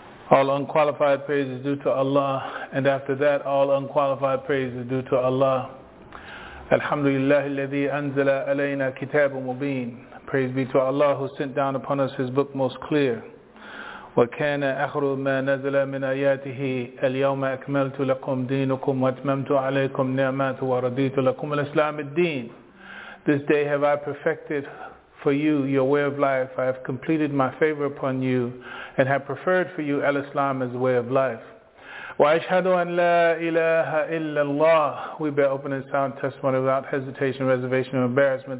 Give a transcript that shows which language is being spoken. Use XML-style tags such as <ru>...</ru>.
<en>All unqualified praise is due to Allah, and after that all unqualified praise is due to Allah.</en> <ar>الحمد لله الذي أنزل علينا كتاب مبين.</ar> <en>Praise be to Allah who sent down upon us His book most clear.</en> <ar>وكان آخر ما نزل من آياته اليوم أكملت لكم دينكم وأتممت عليكم نعمتي ورضيت لكم الإسلام الدين.</ar> <en>This day have I perfected for you your way of life. I have completed my favor upon you and have preferred for you al-Islam as the way of life.</en> <ar>Wa ashhadu an la ilaha illallah.</ar> <en>We bear open and sound testimony without hesitation, reservation, or embarrassment.</en>